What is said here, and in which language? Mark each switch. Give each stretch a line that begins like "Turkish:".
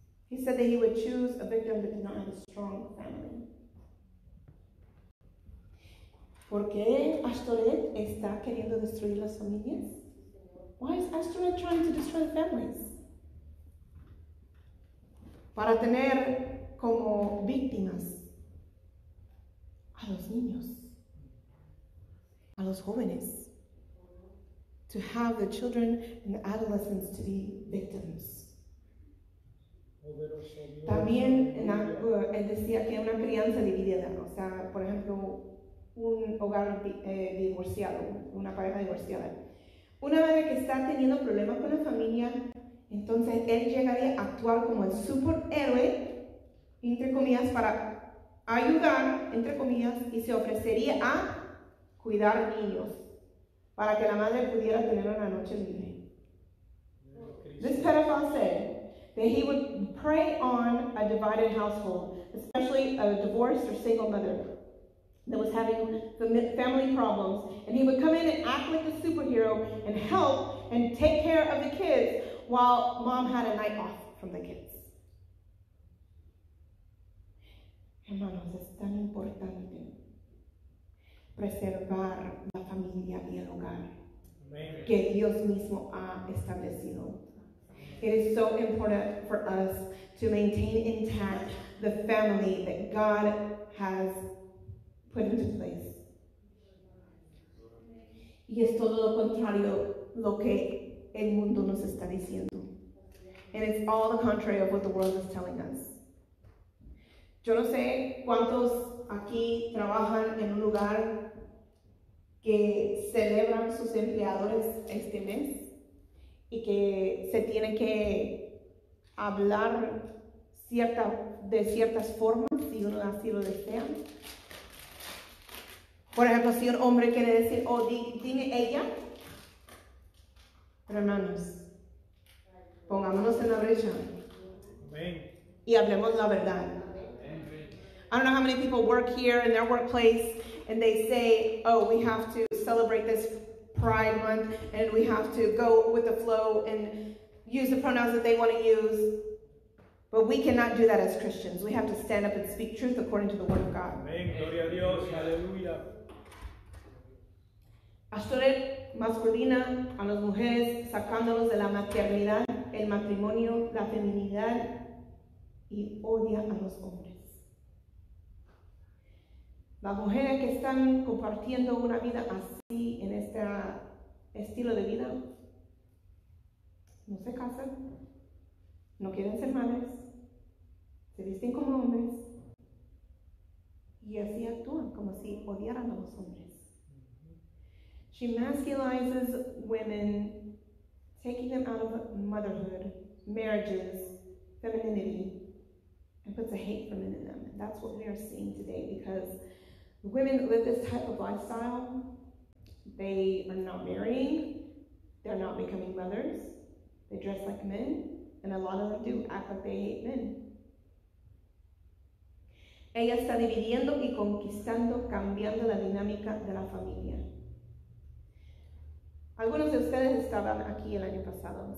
English: He said that he would choose a victim that did not have a strong family.
Spanish: ¿Por qué Astoret está queriendo destruir las familias?
English: Why is Astoret trying to destroy families?
Spanish: Para tener como víctimas a los niños. A los jóvenes,
English: to have the children and the adolescents to be victims.
Spanish: También en la, él decía que una crianza dividida, o sea, por ejemplo, un hogar divorciado, una pareja divorciada, una madre que está teniendo problemas con la familia, entonces él llegaría a actuar como el superhéroe, entre comillas, para ayudar, entre comillas, y se ofrecería a cuidar niños para que la madre pudiera tener una noche libre.
English: This pedophile said that he would prey on a divided household, especially a divorced or single mother that was having family problems, and he would come in and act like a superhero and help and take care of the kids while mom had a night off from the kids.
Spanish: Hermanos, es tan importante preservar la familia y el hogar que Dios mismo ha establecido.
English: It is so important for us to maintain intact the family that God has put into place.
Spanish: Y es todo lo contrario lo que el mundo nos está diciendo.
English: and it's all the contrary of what the world is telling us.
Spanish: Yo no sé cuántos aquí trabajan en un lugar que celebran sus empleadores este mes y que se tiene que hablar de ciertas formas si uno así lo desea. Por ejemplo, si un hombre quiere decir, oh, dime ella. Pero hermanos, pongámonos en la brecha. Amen. Y hablemos la verdad.
English: I don't know how many people work here in their workplace and they say, oh, we have to celebrate this Pride Month and we have to go with the flow and use the pronouns that they want to use. But we cannot do that as Christians. We have to stand up and speak truth according to the Word of God.
Spanish: Amen. Gloria a Dios. Aleluya. Pastores masculina a las mujeres, sacándolos de la maternidad, el matrimonio, la feminidad, y odia a los hombres. Las mujeres que están compartiendo una vida así, en este estilo de vida, no se casan, no quieren ser madres, se visten como hombres, y así actúan, como si odiaran a los hombres.
English: She masculinizes women, taking them out of motherhood, marriages, femininity, and puts a hate for men in them. And that's what we are seeing today, because women live this type of lifestyle. They are not marrying. They're not becoming mothers. They dress like men. And a lot of them do act like they hate men.
Spanish: Ella está dividiendo y conquistando, cambiando la dinámica de la familia. Algunos de ustedes estaban aquí el año pasado.